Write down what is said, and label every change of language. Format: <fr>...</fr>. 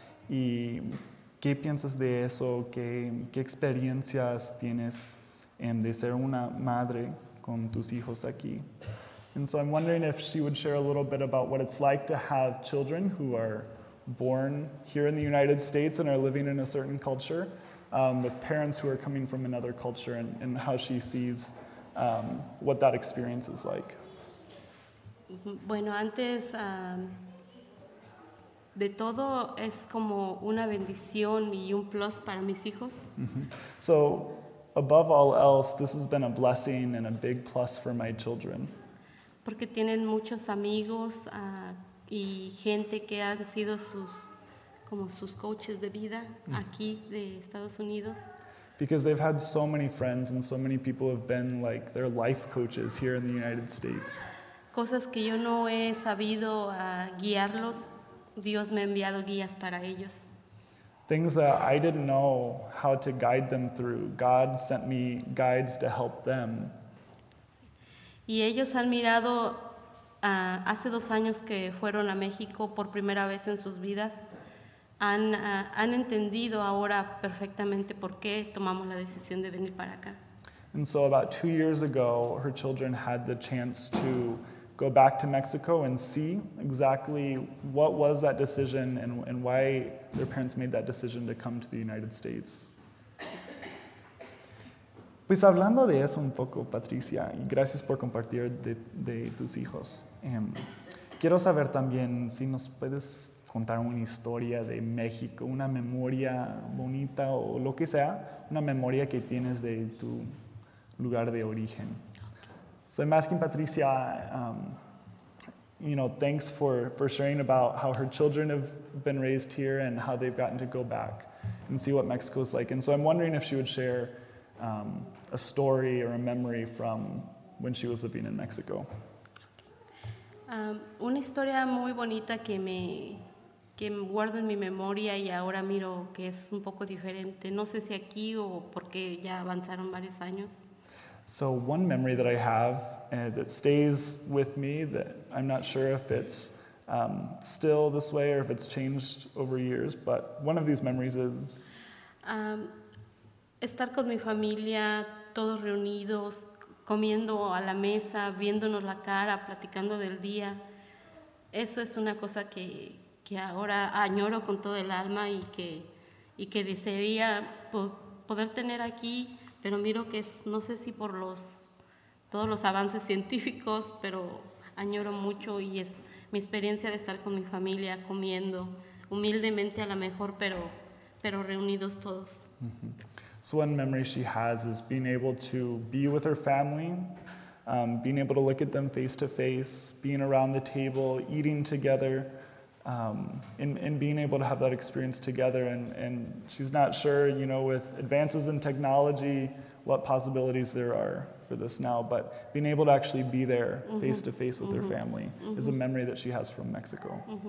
<es>¿Y qué piensas de eso? ¿Qué experiencias tienes de ser una madre con tus hijos aquí?</es> <en>And so I'm wondering if she would share a little bit about what it's like to have children who are born here in the United States and are living in a certain culture with parents who are coming from another culture and how she sees what that experience is like.</en> <es>Bueno, antes de todo es como una bendición y un plus para mis hijos.</es> <en>So above all else, this has been a blessing and a big plus for my children.</en> <es>Porque tienen muchos amigos y gente que han sido sus como sus coaches de vida aquí de Estados Unidos.</es> <en>Because they've had so many friends and so many people have been like their life coaches here in the United States.</en> <es>Cosas que yo no he sabido guiarlos, Dios me ha enviado guías para ellos.</es> <en>Things that I didn't know how to guide them through, God sent me guides to help them.</en> <es>Y ellos han mirado hace 2 años que fueron a México por primera vez en sus vidas, han entendido ahora perfectamente por qué tomamos la decisión de venir para acá.</es> <en>And so about 2 years ago, her children had the chance to go back to Mexico and see exactly what was that decision and why their parents made that decision to come to the United States.</en> <es>Pues hablando de eso un poco, Patricia, y gracias por compartir de tus hijos. Quiero saber también si nos puedes contar una historia de México, una memoria bonita o lo que sea, una memoria que tienes de tu lugar de origen.</es> <en>So I'm asking Patricia, you know, thanks for sharing about how her children have been raised here and how they've gotten to go back and see what Mexico's like. And so I'm wondering if she would share a story or a memory from when she was living in Mexico.</en> <es>Una historia muy bonita que guardo en mi memoria y ahora miro que es un poco diferente. No sé si aquí o porque ya avanzaron varios años.</es> <en>So one memory that I have that stays with me that I'm not sure if it's still this way or if it's changed over years, but one of these memories is</en> <es>estar con mi familia, todos reunidos, comiendo a la mesa, viéndonos la cara, platicando del día. Eso es una cosa que ahora añoro con todo el alma y que desearía poder tener aquí, pero miro que es, no sé si por todos los avances científicos, pero añoro mucho y es mi experiencia de estar con mi familia, comiendo, humildemente a lo mejor, pero reunidos todos.</es> <en>So one memory she has is being able to be with her family, being able to look at them face to face, being around the table, eating together, and being able to have that experience together. And she's not sure, you know, with advances in technology, what possibilities there are for this now, but being able to actually be there face to face with her family is a memory that she has from Mexico.</en>